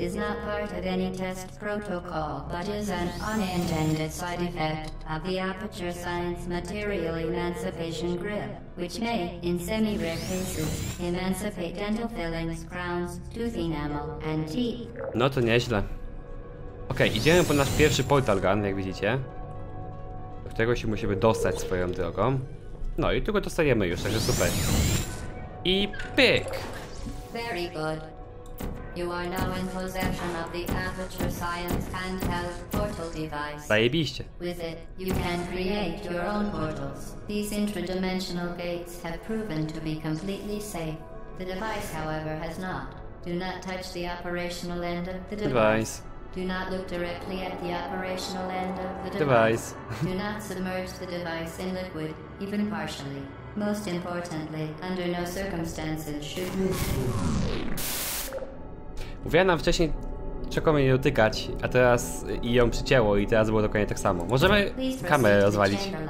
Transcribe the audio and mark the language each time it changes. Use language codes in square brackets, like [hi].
[en] Is not part of any test protocol, but is an unintended side effect of the Aperture Science Material Emancipation Grip, which may, in semi-rare cases, emancipate dental fillings, crowns, tooth enamel, and teeth. [pl] No to nieźle. Okej, idziemy po nasz pierwszy portal gun, jak widzicie. Do którego się musimy dostać swoją drogą. No i tu go dostajemy już, także super. I pyk! [en] Very good. You are now in possession of the Aperture Science handheld portal device. [pl] Zajebiście. [en] With it, you can create your own portals. These intradimensional gates have proven to be completely safe. The device, however, has not. Do not touch the operational end of the device. Do not look directly at the operational end of the device. Do not submerge the device in liquid, even partially. Most importantly, under no circumstances should you... [pl] Mówiła nam wcześniej, czego mnie nie dotykać, a teraz i ją przycięło i teraz było dokładnie tak samo. Możemy kamerę rozwalić.